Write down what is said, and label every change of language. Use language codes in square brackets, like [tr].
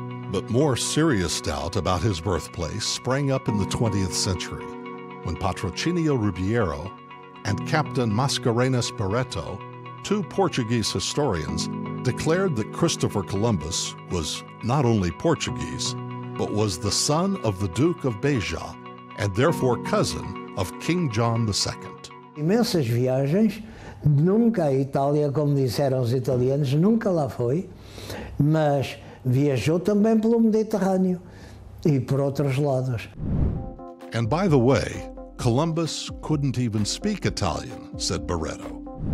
[en] But more serious doubt about his birthplace sprang up in the 20th century, when Patrocinio Ribeiro and Captain Mascarenhas Barreto, two Portuguese historians, declared that Christopher Columbus was not only Portuguese, but was the son of the Duke of Beja, and therefore cousin of King John II. [pt] Imensas viagens, nunca a Itália, como disseram os italianos, nunca lá foi, mas viajou também pelo Mediterrâneo e por outros lados. [en] And by the way, Columbus couldn't even speak Italian, said Barreto.